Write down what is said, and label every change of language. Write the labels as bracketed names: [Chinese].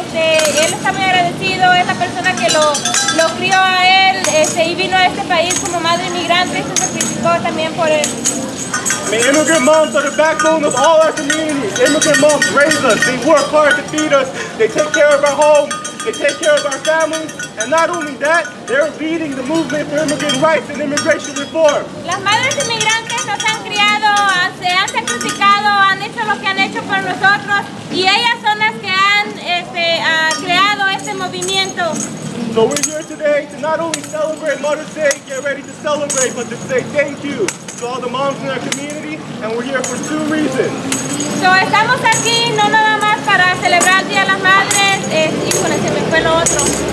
[Spanish] Él está muy agradecido, es la persona que lo crió a él. Y vino a este país como madre inmigrante. Se sacrificó también por él. [English] I mean, immigrant moms are the backbone of all our communities. Immigrant moms raise us. They work hard to feed us. They take care of our home. They take care of our families. And not only that, they're leading the movement for immigrant rights and immigration reform. [Spanish] Las madres inmigrantes nos han criado, se han sacrificado, han hecho lo que han hecho por nosotros. Y ellas son las que han creado este movimiento. [English] So we're here today to not only celebrate Mother's Day, get ready to celebrate, but to say thank you to all the moms in our community, and we're here for two reasons. [Spanish] So estamos aquí no nada más para celebrar Día de las Madres, y con ese me fue lo otro.